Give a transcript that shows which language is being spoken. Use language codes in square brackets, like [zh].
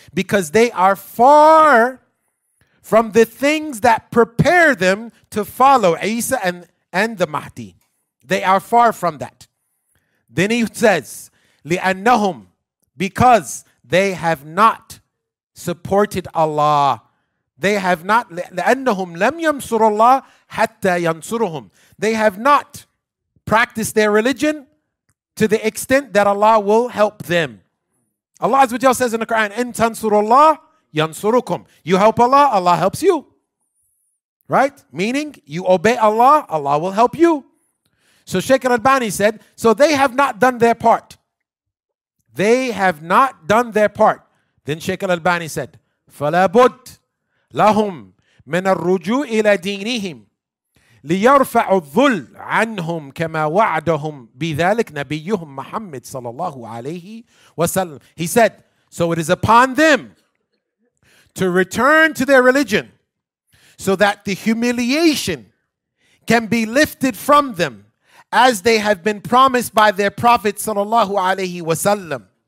[en] Because they are far from the things that prepare them to follow Isa and the Mahdi. They are far from that. Then he says, لِأَنَّهُمْ, because they have not supported Allah. They have not, [ar] لِأَنَّهُمْ لَمْ يَنْصُرُ اللَّهِ حَتَّى يَنْصُرُهُمْ. [en] They have not practiced their religion to the extent that Allah will help them. Allah Azza wa Jalla says in the Quran, [ar] إِنْ تَنْصُرُ اللَّهِ يَنْصُرُكُمْ. [en] You help Allah, Allah helps you. Right? Meaning, you obey Allah, Allah will help you. So Shaykh al-Albani said, so they have not done their part. They have not done their part. Then Shaykh al-Albani said, [ar] فَلَابُدْ لَهُمْ مِنَ الرُّجُوءِ إِلَى دِينِهِمْ لِيَرْفَعُ الظُّلْ عَنْهُمْ كَمَا وَعَدَهُمْ بِذَلِكَ نَبِيُّهُمْ مُحَمَّدٍ صَلَى اللَّهُ عَلَيْهِ وَسَلَّمَ. [en] He said, so it is upon them to return to their religion so that the humiliation can be lifted from them as they have been promised by their Prophet sallallahu alayhi wa sallam.